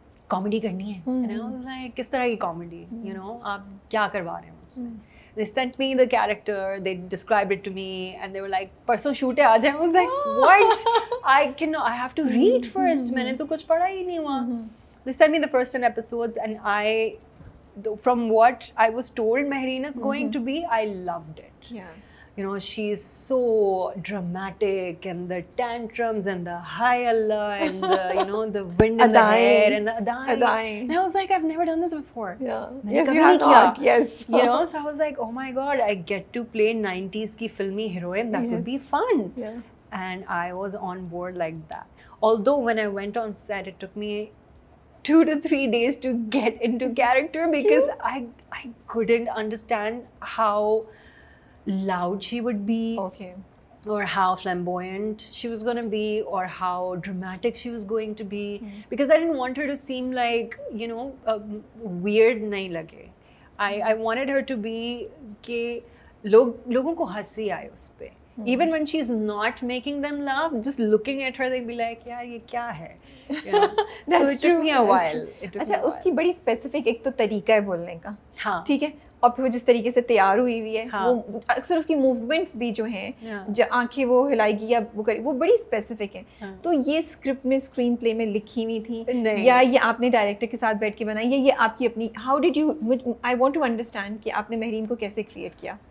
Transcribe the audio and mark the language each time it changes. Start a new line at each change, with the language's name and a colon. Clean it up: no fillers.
Hindi: Comedy करनी है
English: and I was like
Hindi: किस तरह की कॉमेडी
English: you know
Hindi: आप क्या करवा रहे हैं मुझसे
English: they sent me the character they describe it to me and they were like
Hindi: परसों शूट है आज
English: I was like what I can not I have to read first
Hindi: मैंने तो कुछ पढ़ा ही नहीं हुआ
English: They sent me the first 10 episodes and I, from what I was told Mehreen is going to be, I loved it. Yeah. You know, she's so dramatic and the tantrums and the high Allah and the, you know, the wind in the hair and the adaying. And I was like, I've never done this before. Yeah. Yes, you have not. Yes. You know, so I was like, oh my God, I get to play 90s
Hindi: ki filmy heroine.
English: That would be fun. Yeah. And I was on board like that. Although when I went on set, it took me... 2 to 3 days to get into character because I couldn't understand how loud she would be or how flamboyant she was going to be or how dramatic she was going to be because I didn't want her to seem like you know
Hindi: weird nahi lage
English: I wanted her to be
Hindi: ke logon ko hansi aaye us pe
English: even when she's not making them laugh just looking at her they'd be like
Hindi: yaar ye kya hai
English: That's true. It took me a while.
Hindi: अच्छा उसकी बड़ी specific एक तो तरीका है बोलने का हाँ ठीक है और फिर वो जिस तरीके से तैयार हुई हुई है वो अक्सर उसकी मूवमेंट्स भी जो हैं जो आंखें वो हिलाएगी या वो करेगी वो बड़ी स्पेसिफिक है. तो ये स्क्रिप्ट में स्क्रीन प्ले में लिखी हुई थी या ये आपने डायरेक्टर के साथ बैठ के बनाई या ये आपकी अपनी,
English: how did you, I want to understand
Hindi: कि आपने मेहरीन को कैसे क्रिएट किया.